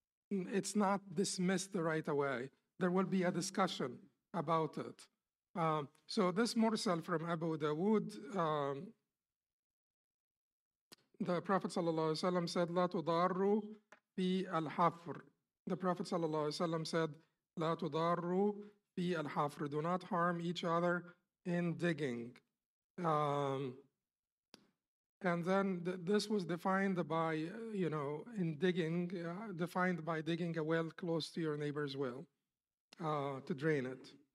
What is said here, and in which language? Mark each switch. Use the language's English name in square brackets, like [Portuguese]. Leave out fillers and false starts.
[English] It's not dismissed right away. There will be a discussion about it. So this mursal from Abu Dawood, the Prophet ﷺ said, [Arabic] لا تضاروا في الحفر. [English] The Prophet ﷺ said, [Arabic] لا تضاروا في الحفر. [English] Do not harm each other in digging. And then this was defined by, you know, in digging, defined by digging a well close to your neighbor's well to drain it.